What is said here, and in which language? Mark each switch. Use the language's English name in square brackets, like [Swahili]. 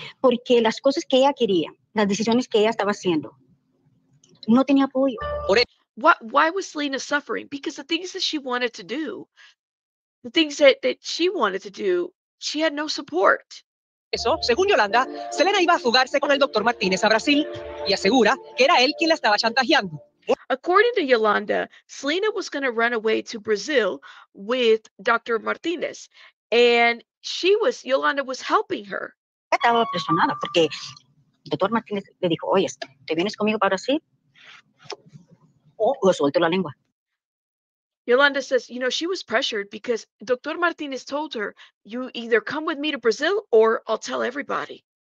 [Spanish] Porque las cosas que ella quería, las decisiones que ella estaba haciendo, no tenía apoyo. [English] Why was Selena suffering? Because the things that she wanted to do, the things that she wanted to do, she had no support. [Spanish] Eso, según Yolanda, Selena iba a fugarse con el Dr. Martinez a Brasil y asegura que era él quien la estaba chantajeando. [English] According to Yolanda, Selena was going to run away to Brazil with Dr. Martinez, and Yolanda was helping her. [Spanish] Estaba presionada porque el Dr. Martinez le dijo, oye, ¿te vienes conmigo para Brasil? o suelto la lengua. [English] Yolanda says, you know, she was pressured because Dr. Martinez told her, you either come with me to Brazil or I'll tell everybody.